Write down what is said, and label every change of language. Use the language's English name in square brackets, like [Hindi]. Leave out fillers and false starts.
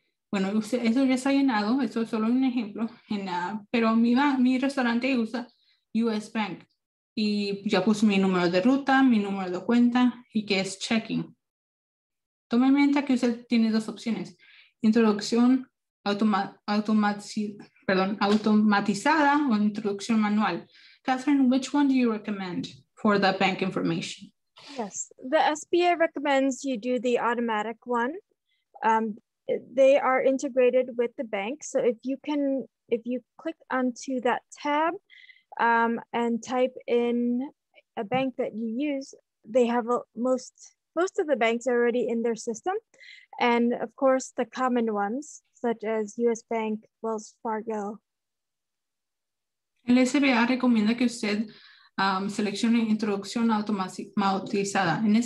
[Spanish] Bueno, eso ya está llenado, eso es solo un ejemplo, pero mi restaurante usa US Bank y ya puse mi número de ruta, mi número de cuenta y que es checking. Tome en cuenta que usted tiene dos opciones, introducción automatizada o introducción manual. [English] Catherine, which one do you recommend for the bank information? Yes, the SBA recommends you do the automatic one. They are integrated with the bank. So if you click onto that tab and type in a bank that you use, they have most of the banks are already in their system. And of course, the common ones, such as US Bank, Wells Fargo. [Spanish] El SBA recomienda que usted seleccione introducción automatizada.